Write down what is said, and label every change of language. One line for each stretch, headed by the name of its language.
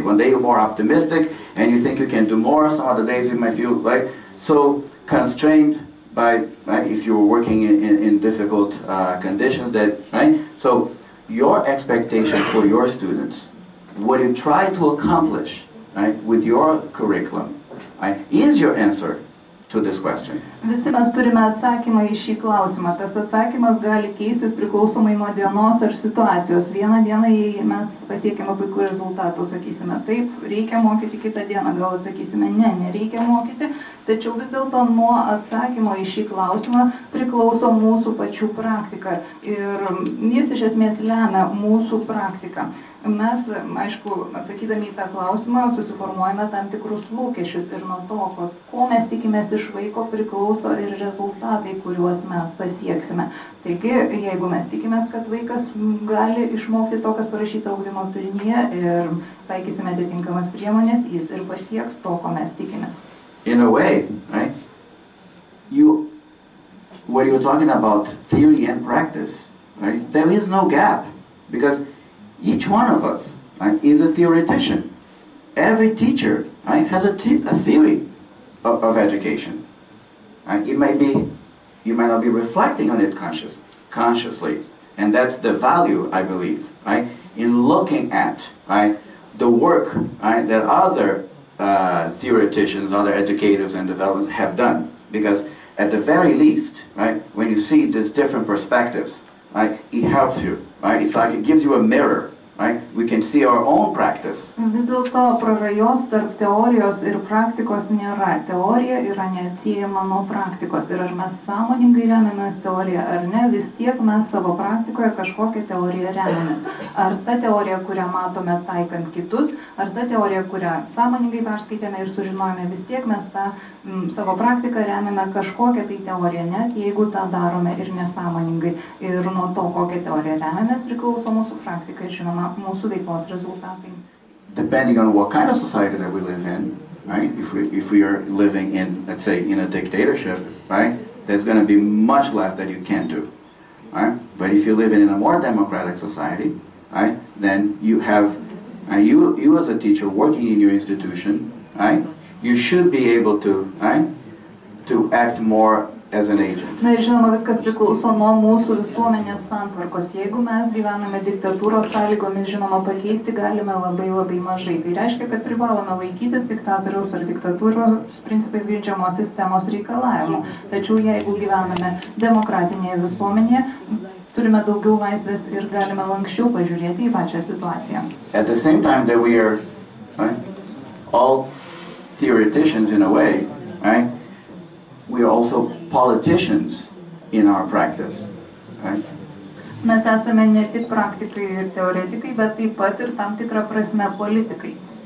English: One day you're more optimistic, and you think you can do more, some other days you might feel like so constrained by, if you were working in difficult conditions, so your expectation for your students, what you try to accomplish with your curriculum, is your answer to this question.
Lithuanian: Visi mes turime atsakymą į šį klausimą. Tas atsakymas gali keistis priklausomai nuo dienos ar situacijos. Vieną dieną mes pasiekime puikų rezultatų, sakysime taip, reikia mokyti, kitą dieną gal atsakysime ne, nereikia mokyti. Tačiau vis dėlto nuo atsakymo į šį klausimą priklauso mūsų pačių praktika. Ir jis iš esmės lemia mūsų praktiką. Mes, aišku, atsakydami į tą klausimą, susiformuojame tam tikrus lūkesčius ir nuo to, ko mes tikimės iš vaiko, priklauso ir rezultatai, kuriuos mes pasieksime. Taigi, jeigu mes tikimės, kad vaikas gali išmokti to, kas parašyta ugdymo turinyje ir taikysime atitinkamas priemonės, jis ir pasieks to, ko mes tikimės.
English: In a way, right? You, what you're talking about, theory and practice, right? There is no gap, because each one of us, right, is a theoretician. Every teacher, right, has a theory of education. Right? It may be, you might not be reflecting on it consciously, and that's the value, I believe, right, in looking at, right, the work, right, that other theoreticians, other educators and developers have done. Because at the very least, right, when you see these different perspectives, right, it helps you. Right? It's like it gives you a mirror. Right? We can see our own practice.
Lithuanian: Vis dėlto prarajos tarp teorijos ir praktikos nėra. Teorija yra neatsiejama nuo praktikos. Ir ar mes sąmoningai remiamės teoriją ar ne, vis tiek mes savo praktikoje kažkokią teoriją remiamės. Ar ta teorija, kurią matome taikant kitus, ar ta teorija, kurią sąmoningai perskaitėme ir sužinojome, vis tiek mes tą savo praktiką remiame kažkokią tai teoriją, net jeigu tą darome ir nesąmoningai. Ir nuo to, kokią teoriją remiamės, priklauso mūsų praktika ir žinoma mūsų veiklos rezultatai.
English: Depending on what kind of society that we live in, right? If we are living in, let's say, in a dictatorship, right? There's going to be much less that you can do, right? But if you live in a more democratic society, right? Then you have, you as a teacher working in your institution, right? You should be able to, right? To act more as an agent.
Lithuanian: Na, žinoma, viskas priklauso nuo mūsų visuomenės santvarkos. Jeigu mes gyvename diktatūros sąlygomis, žinoma, pakeisti galime labai labai mažai. Tai reiškia, kad privalome laikytis diktatoriaus ar diktatūros principais grindžiamos sistemos reikalavimų. Tačiau jeigu gyvename demokratinėje visuomenėje, turime daugiau laisvės ir galime lanksčiau pažiūrėti į pačią situaciją.
English: At the same time that we are, right? All theoreticians in a way, right? We are also politicians in our practice, right?
Lithuanian: Mes esame ne tik praktikai ir teoretikai, bet taip pat ir tam tikra prasme politikai.